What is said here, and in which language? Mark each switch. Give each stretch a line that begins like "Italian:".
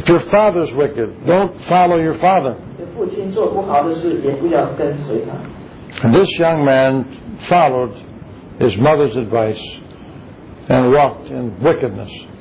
English: If your father is wicked, don't follow your father.
Chinese: 父亲做不好的事，也不要跟随他。
English: And this young man followed his mother's advice and walked in wickedness.